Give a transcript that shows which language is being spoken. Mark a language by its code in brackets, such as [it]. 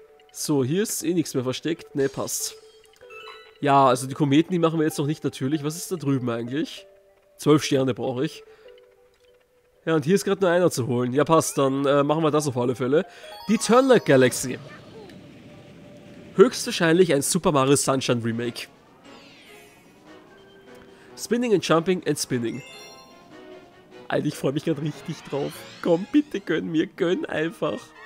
[de] So, hier ist eh nichts mehr versteckt. Ne, passt. Ja, also die Kometen, die machen wir jetzt noch nicht natürlich. Was ist da drüben eigentlich? 12 Sterne brauche ich. Ja, und hier ist gerade nur einer zu holen. Ja, passt, dann machen wir das auf alle Fälle. Die Turnlock Galaxy. Höchstwahrscheinlich ein Super Mario Sunshine Remake. [en] Spinning and Jumping and Spinning. [de] Alter, ich freue mich gerade richtig drauf. Komm, bitte gönn mir, gönn einfach.